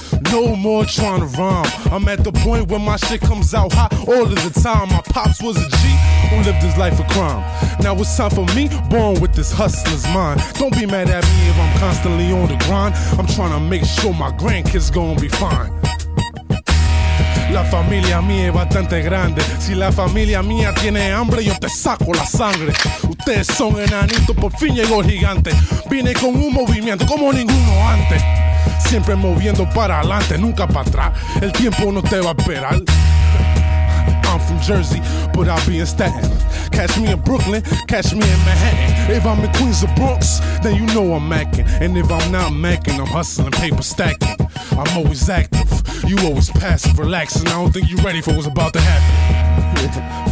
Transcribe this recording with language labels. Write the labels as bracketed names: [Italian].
[English] No more trying to rhyme. I'm at the point where my shit comes out hot all of the time. My pops was a G who lived his life a crime. Now it's time for me, born with this hustler's mind. Don't be mad at me if I'm constantly on the grind. I'm trying to make sure my grandkids gonna be fine. [Spanish] La familia mía es bastante grande. Si la familia mía tiene hambre, yo te saco la sangre. Ustedes son enanitos, por fin llegó el gigante. Vine con un movimiento como ninguno antes. Siempre moviendo para adelante, nunca para atrás. El tiempo no te va a esperar. [English] I'm from Jersey, but I'll be in Staten. Catch me in Brooklyn, catch me in Manhattan. If I'm in Queens or Bronx, then you know I'm macking. And if I'm not macking, I'm hustling, paper stacking. I'm always active, you always passive, relaxing. I don't think you ready for what's about to happen.